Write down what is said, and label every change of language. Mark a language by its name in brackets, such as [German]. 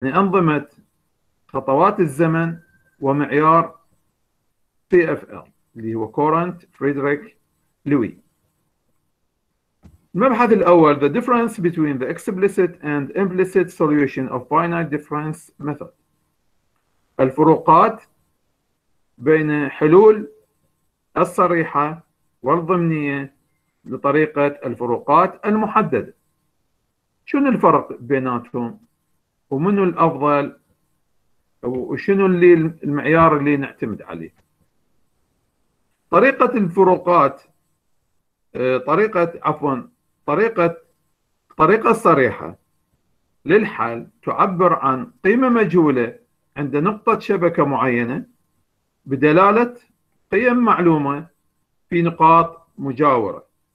[Arabic] يعني أنظمة خطوات الزمن ومعيار CFL اللي هو كورانت فريدريك لوي. المبحث الأول [English] The difference between the explicit and implicit solution of finite difference method. [Arabic] الفروقات بين حلول الصريحة والضمنية لطريقة الفروقات المحددة. شنو الفرق بيناتهم؟ ومنو الأفضل؟ وشنو اللي المعيار اللي نعتمد عليه؟ طريقة الفروقات طريقة عفوا طريقة الطريقة الصريحة للحل تعبر عن قيمة مجهولة عند نقطة شبكة معينة بدلالة قيم معلومة في نقاط مجاورة.